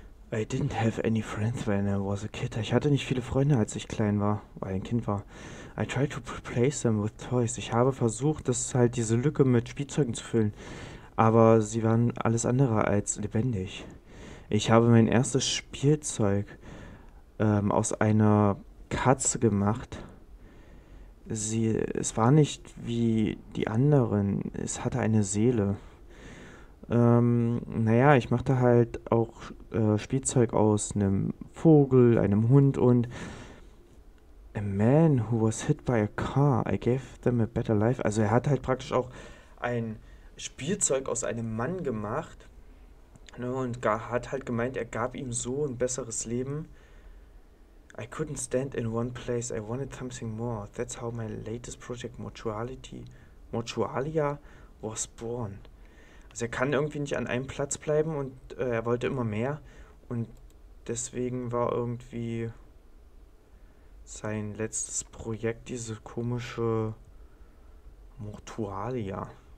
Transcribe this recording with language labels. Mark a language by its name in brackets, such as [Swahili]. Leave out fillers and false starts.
[English] I didn't have any friends when I was a kid. [German] Ich hatte nicht viele Freunde, als ich klein war, weil ich ein Kind war. [English] I tried to replace them with toys. [German] Ich habe versucht, das halt diese Lücke mit Spielzeugen zu füllen, aber sie waren alles andere als lebendig. Ich habe mein erstes Spielzeug aus einer Katze gemacht. Es war nicht wie die anderen, es hatte eine Seele. Naja, ich machte halt auch Spielzeug aus einem Vogel, einem Hund und [English] a man who was hit by a car. I gave them a better life. [German] Also er hat halt praktisch auch ein Spielzeug aus einem Mann gemacht, ne, und hat halt gemeint, er gab ihm so ein besseres Leben. [English] I couldn't stand in one place. I wanted something more. That's how my latest project Mortualia was born. [German] Also er kann irgendwie nicht an einem Platz bleiben und er wollte immer mehr. Und deswegen war irgendwie sein letztes Projekt diese komische Mortualia.